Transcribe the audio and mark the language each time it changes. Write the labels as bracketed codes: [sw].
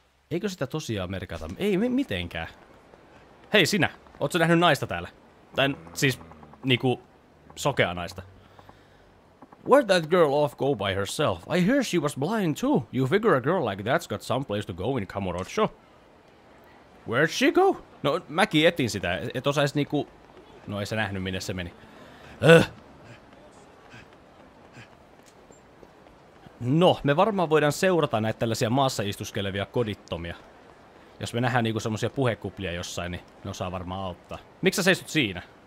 [fi] Eikö sitä tosiaan merkata? Ei mitenkään. Hei sinä! Ootsä nähnyt naista täällä? Tai siis niinku sokea naista. [en] Where'd that girl off go by herself? I hear she was blind too. You figure a girl like that's got some place to go in Kamurocho. Where'd she go? [fi] No mäkin etin sitä, et osais niinku... No ei se nähnyt minne se meni. No, me varmaan voidaan seurata näitä tällaisia maassa istuskelevia kodittomia. Jos me nähdään niinku semmosia puhekuplia jossain, niin ne osaa varmaan auttaa. Miksi sä seisot siinä?